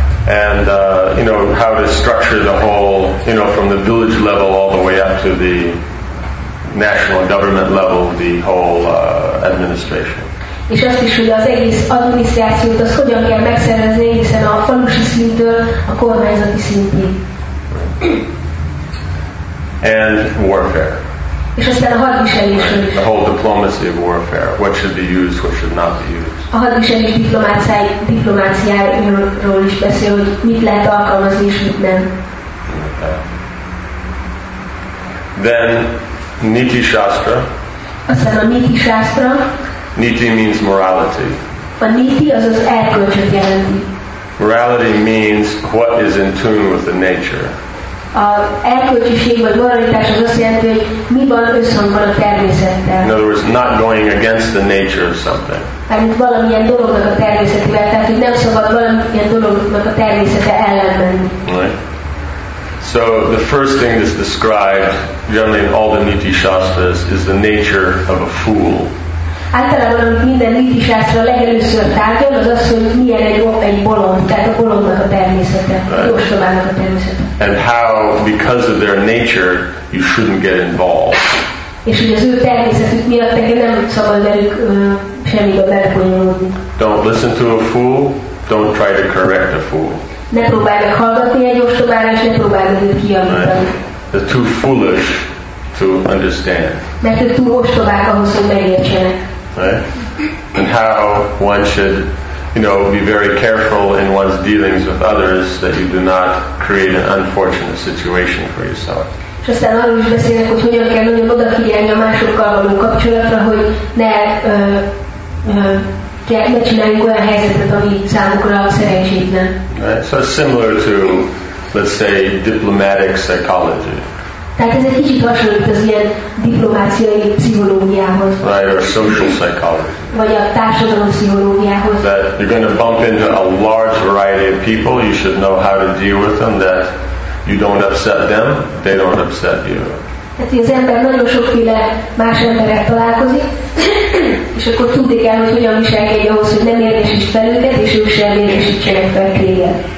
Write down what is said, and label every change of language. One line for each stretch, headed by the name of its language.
English: And you know how to structure the whole, you know, from the village level all the way up to the national government level, the whole administration.
Hungarian: És azt is, hogy az egész adminisztrációt az hogyan kell megszervezni egészen a falusi szintől a kormányzati szintig.
English: And warfare.
Hungarian: És aztán a hadviselés.
English: The whole diplomacy of warfare. What should be used, what should not be used.
Hungarian: A hadviselés diplomáciáról is beszél, hogy mit lehet alkalmazni és mit nem.
English: Then Niti Shastra.
Hungarian: Aztán a Niti Shastra.
English: Niti means morality.
Hungarian: A niti az az erkölcsöt jelenti.
English: Morality means what is in tune with the nature.
Hungarian: A erkölcsiség vagy moralitás az azt jelenti, hogy mi van összhangban a természettel.
English: In other words, not going against the nature of something.
Hungarian: Tehát valamilyen dolognak a természetével, tehát hogy nem szabad valamilyen dolognak a természete ellen menni.
English: So the first thing that's described generally in all the niti shastras is the nature of a fool.
Hungarian: Általában minden niti sászra legelőször tárgyal az az, hogy milyen egy bolond, tehát a bolondnak a természete, right. Jóstolának a természete.
English: And how, because of their nature, you shouldn't get involved.
Hungarian: És hogy az ő természetük miatt neki nem szabad velük semmibe belefonyolódni.
English: Don't listen to a fool, don't try to correct a fool.
Hungarian: Ne próbálj meg hallgatni egy jóstolára, és ne próbálj meg őt kijavítani.
English: Right. They're too foolish to understand.
Hungarian: Mert ők túl ostobák ahhoz, hogy megértsenek.
English: And how one should, you know, be very careful in one's dealings with others that you do not create an unfortunate situation for yourself.
Hungarian: És aztán arról is beszélnek, hogy hogyan kell nagyon odafigyelni a másokkal való kapcsolatra, hogy ne csináljunk olyan helyzetet, ami számukra szerencsétlen.
English: So similar to, let's say, diplomatic psychology.
Hungarian: Tehát ez egy kicsit hasonlít az ilyen diplomáciai pszichológiához.
English: Right, or social psychology.
Hungarian: Vagy a társadalom pszichológiához.
English: That you're going to bump into a large variety of people, you should know how to deal with them, that you don't upset them, they don't upset you.
Hungarian: Tehát az ember nagyon sokféle más emberrel találkozik, és akkor tudni kell, hogy hogyan viselkedj ahhoz, hogy nem érdekes fel őket, és ők sem érdekesítsenek fel téged.